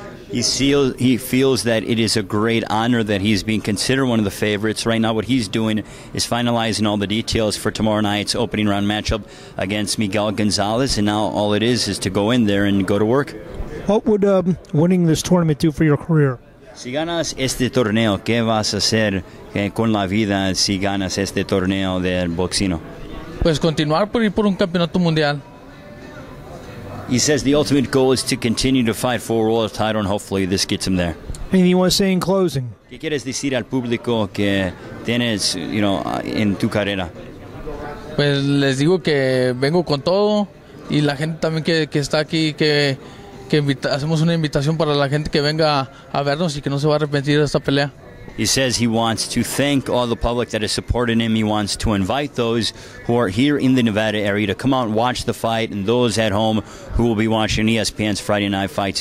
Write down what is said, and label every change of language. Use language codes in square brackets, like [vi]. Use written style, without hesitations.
[en] He feels that it is a great honor that he's being considered one of the favorites. Right now what he's doing is finalizing all the details for tomorrow night's opening round matchup against Miguel Gonzalez, and now all it is to go in there and go to work. What would winning this tournament do for your career? [es] Si ganas este torneo, ¿qué vas a hacer con la vida si ganas este torneo del boxeo? Pues continuar por ir por un campeonato mundial. [en] He says the ultimate goal is to continue to fight for a world title, and hopefully this gets him there. Anything you want to say in closing? [es] ¿Qué quieres decir al público que tienes, you know, en tu carrera? Pues les digo que vengo con todo, y la gente también que está aquí, hacemos una invitación para la gente que venga a vernos y que no se va a arrepentir de esta pelea. [en] He says he wants to thank all the public that has supported him. He wants to invite those who are here in the Nevada area to come out and watch the fight, and those at home who will be watching ESPN's Friday Night Fights.